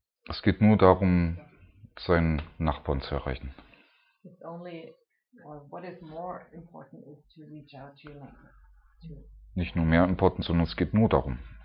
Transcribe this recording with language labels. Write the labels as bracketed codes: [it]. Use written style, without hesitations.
[de] Es geht nur darum, seinen Nachbarn zu erreichen. [en] It's only, well, what is more important is to reach out to your neighbor. [de] Nicht nur mehr important, sondern es geht nur darum.